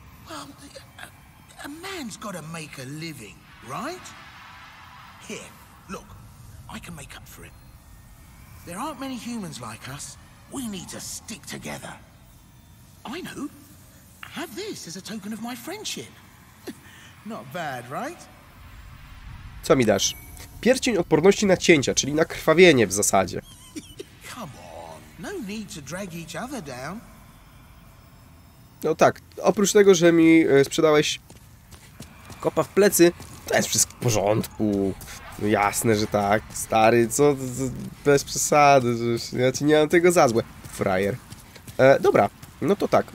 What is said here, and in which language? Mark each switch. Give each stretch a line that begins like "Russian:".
English: Well, a man's got to make a living, right? Here, look, I can make up for it. There aren't many humans like us. We need to stick together. I know. Have this as a token of my friendship. Not bad, right?
Polish: Co mi dasz? Pierścień odporności na cięcia, czyli na krwawienie w zasadzie.
English: No need to drag each other down.
Polish: No tak, oprócz tego, że mi sprzedałeś kopa w plecy, to jest wszystko w porządku. No jasne, że tak. Stary, co? Bez przesady. Ja ci nie mam tego za złe. Frajer. Dobra, no to tak.